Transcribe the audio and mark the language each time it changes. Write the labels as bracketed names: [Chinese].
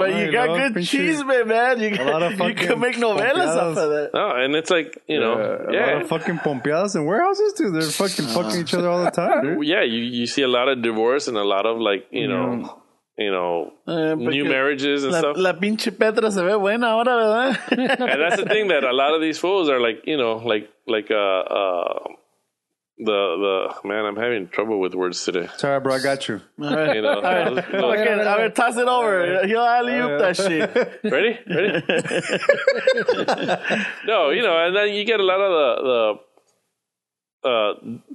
[English] But you got good chisme, man. You can make novelas off of that. No, and it's like, you know. Yeah. A lot of fucking pompeadas in warehouses, too. They're fucking fucking each other all the time, dude. Yeah, you see a lot of divorce and a lot of, like, you know, new marriages and stuff. [Spanish] La pinche Petra se ve buena ahora, ¿verdad? [English] And that's the thing, that a lot of these fools are like, you know, like the man, I'm having trouble with words today. Sorry, bro, I got you. You know, all right. Okay, I'm gonna toss it over. Right. He'll alley-oop that shit. Ready? No, you know, and then you get a lot of the